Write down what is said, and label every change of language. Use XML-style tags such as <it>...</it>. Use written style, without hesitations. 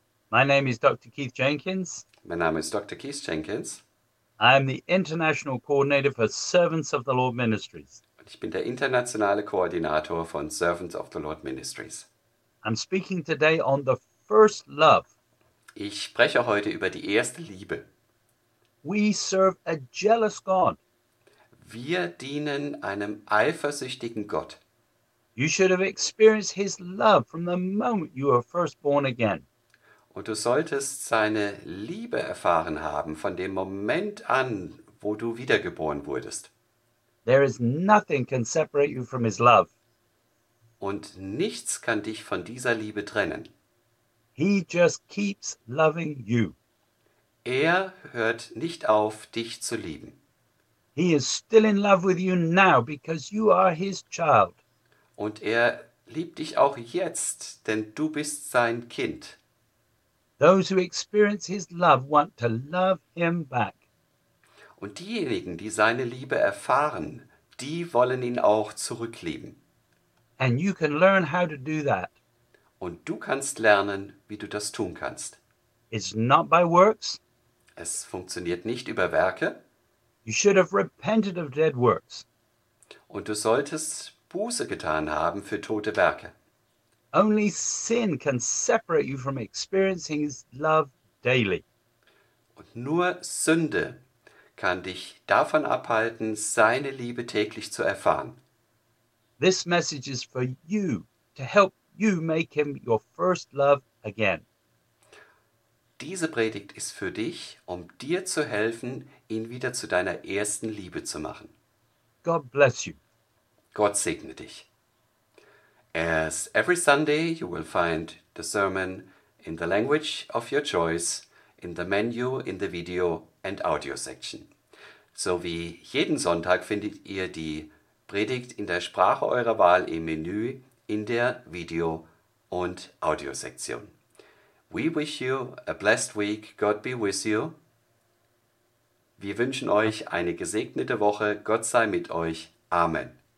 <en>My name is Dr. Keith Jenkins.</en> <de>Mein Name ist Dr. Keith Jenkins.</de> <en>I am the International Coordinator for Servants of the Lord Ministries.</en> <de>Ich bin der internationale Koordinator von Servants of the Lord Ministries.</de> <en>I'm speaking today on the first love.</en> <de>Ich spreche heute über die erste Liebe.</de> <en>We serve a jealous God.</en> <de>Wir dienen einem eifersüchtigen Gott.</de> <en>You should have experienced his love from the moment you were first born again.</en> <de>Und du solltest seine Liebe erfahren haben von dem Moment an, wo du wiedergeboren wurdest.</de> <en>There is nothing can separate you from his love.</en> <de>Und nichts kann dich von dieser Liebe trennen.</de> <en>He just keeps loving you.</en> <de>Er hört nicht auf, dich zu lieben.</de> <en>He is still in love with you now because you are his child.</en> <de>Und er liebt dich auch jetzt, denn du bist sein Kind.</de> <en>Those who experience his love want to love him back.</en> <de>Und diejenigen, die seine Liebe erfahren, die wollen ihn auch zurücklieben.</de> <en>And you can learn how to do that.</en> <de>Und du kannst lernen, wie du das tun kannst.</de> <en>It's not by works.</en> <de>Es funktioniert nicht über Werke.</de> <en>You should have repented of dead works.</en> <de>Und du solltest Buße getan haben für tote Werke.</de> <en>Only sin can separate you from experiencing his love daily.</en> <de>Und nur Sünde kann dich davon abhalten, seine Liebe täglich zu erfahren.</de> <en>This message is for you, to help you make him your first love again.</en> <de>Diese Predigt ist für dich, um dir zu helfen, ihn wieder zu deiner ersten Liebe zu machen.</de> <en>God bless you.</en> <de>Gott segne dich.</de> <en>As every Sunday, you will find the sermon in the language of your choice in the menu in the video and audio section.</en> <de>So wie jeden Sonntag findet ihr die Predigt in der Sprache eurer Wahl im Menü in der Video- und Audio-Sektion.</de> <en>We wish you a blessed week. God be with you.</en> <de>Wir wünschen euch eine gesegnete Woche. Gott sei mit euch. Amen.</de>